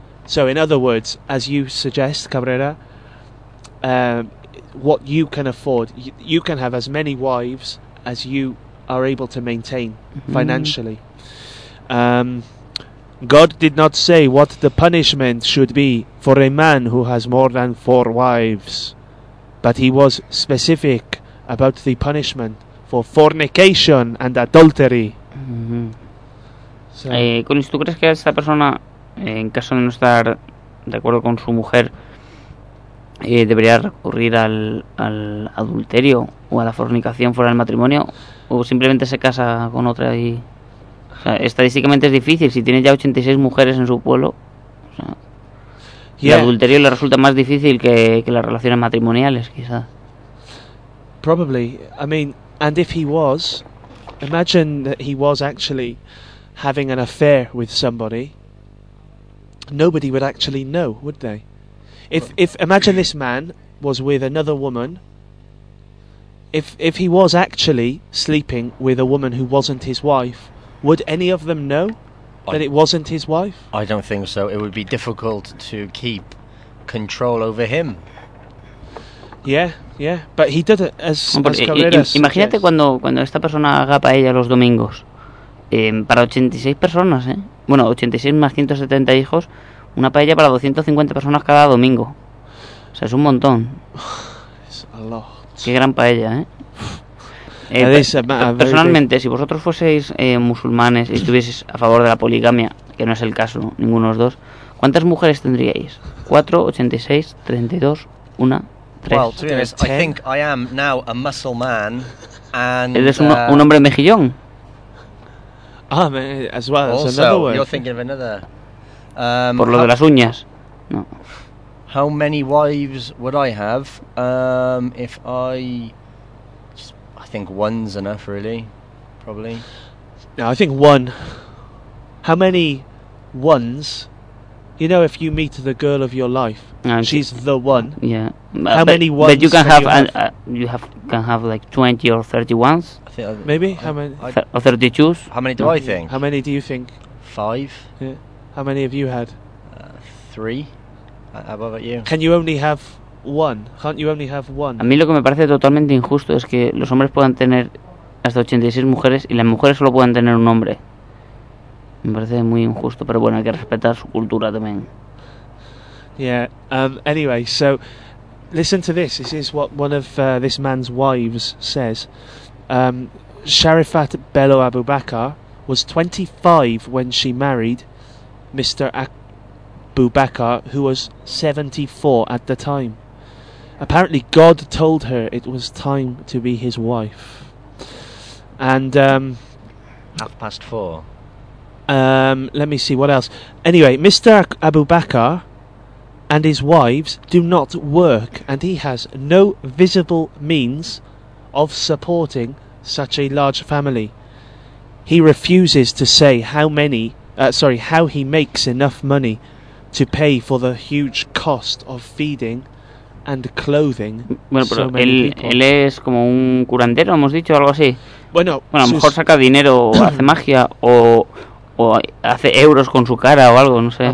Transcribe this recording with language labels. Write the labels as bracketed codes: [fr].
[en] So in other words, as you suggest, Cabrera, what you can afford, you can have as many wives as you are able to maintain financially. God did not say what the punishment should be for a man who has more than 4 wives, but he was specific about the punishment for fornication and adultery. Mm-hmm. [es] So. ¿Tú crees que esta persona, en caso de no estar de acuerdo con su mujer, debería recurrir al adulterio o a la fornicación fuera del matrimonio, o simplemente se casa con otra y...? O sea, estadísticamente es difícil. Si tiene ya 86 mujeres en su pueblo, o sea, yeah. El adulterio le resulta más difícil que las relaciones matrimoniales, quizás. [en] Probably. I mean, and if he was, imagine that he was actually having an affair with somebody. Nobody would actually know, would they? If imagine this man was with another woman. If he was actually sleeping with a woman who wasn't his wife. Would any of them know that it wasn't his wife? I don't think so. It would be difficult to keep control over him. Yeah, yeah. But he did it as Cabrera's. [es] Imagínate cuando esta persona haga paella los domingos. Para 86 personas, ¿eh? Bueno, 86 más 170 hijos. Una paella para 250 personas cada domingo. O sea, es un montón. [en] It's a lot. [es] Qué gran paella, ¿eh? Personalmente, si vosotros fueseis musulmanes y estuvieseis a favor de la poligamia, que no es el caso, ninguno de los dos, ¿cuántas mujeres tendríais? 4, 86, 32, 1, 3. [en] Well, to be honest, I think I am now a Musulman and [es] eres un hombre mejillón. [en] Ah, as well, also, another word. You're thinking of another. [es] Por lo de las uñas. No. [en] How many wives would I have if I... I think one's enough, really. Probably. No, I think one. How many ones? You know, if you meet the girl of your life, she's the one. Yeah. How many ones? But you can have, you can have like 20 or 30 ones. Maybe. How many? Or 32s. How many do I think? How many do you think? 5. Yeah. How many have you had? 3. How about you? Can you only have? One. Can't you only have one? [es] A mí lo que me parece totalmente injusto es que los hombres puedan tener hasta 86 mujeres y las mujeres solo puedan tener un hombre. Me parece muy injusto, pero bueno, hay que respetar su cultura también. [en] Yeah. Anyway, so listen to this. This is what one of this man's wives says. Sharifat Bello Abubakar was 25 when she married Mr. Abubakar, who was 74 at the time. Apparently God told her it was time to be his wife. And 4:30. Let me see what else. Anyway, Mr. Abubakar and his wives do not work, and he has no visible means of supporting such a large family. He refuses to say how he makes enough money to pay for the huge cost of feeding and clothing. [es] Bueno, pero [en] so many él [es] es como un curandero, hemos dicho, algo así. Bueno, a lo mejor saca dinero o hace magia o hace euros con su cara o algo, no sé.